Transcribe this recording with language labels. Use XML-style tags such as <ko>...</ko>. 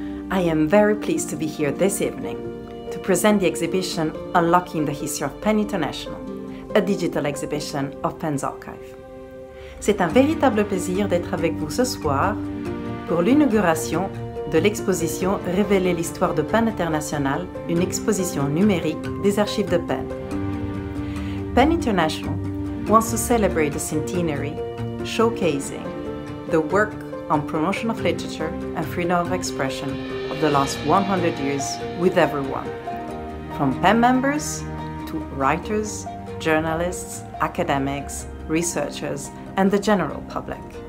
<en>I am very pleased to be here this evening to present the exhibition Unlocking the History of Penn International, a digital exhibition of Penn's archive.</en> <fr>C'est un véritable plaisir d'être avec vous ce soir pour l'inauguration de l'exposition Révéler l'histoire de Penn International, une exposition numérique des archives de Penn.</fr> <en>Penn International wants to celebrate the centenary, showcasing the work on promotion of literature and freedom of expression of the last 100 years with everyone, from Penn members to writers, journalists, academics, researchers, and the general public.</en>